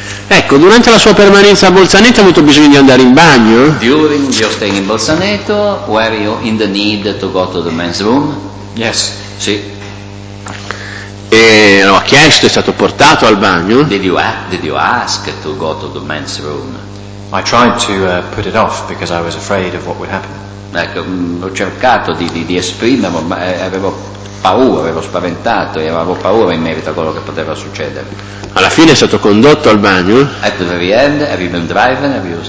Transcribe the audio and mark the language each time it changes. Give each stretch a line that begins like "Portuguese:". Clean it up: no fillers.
Italian: Ecco, durante la sua permanenza a Bolzaneto ha avuto bisogno di andare in bagno?
English: During your staying in Bolzaneto, were you in the need to go to the men's room? Yes.
Italian: Sì. E lo ha chiesto, è stato portato al bagno.
English: Did you ask to go to the men's room? I tried to put it off because I was afraid of what would happen.
Italian: Ecco, ho cercato di esprimermi, ma avevo paura, avevo spaventato e avevo paura in merito a quello che poteva succedere. Alla fine è stato condotto al bagno.
English: At the very end, have you been driving?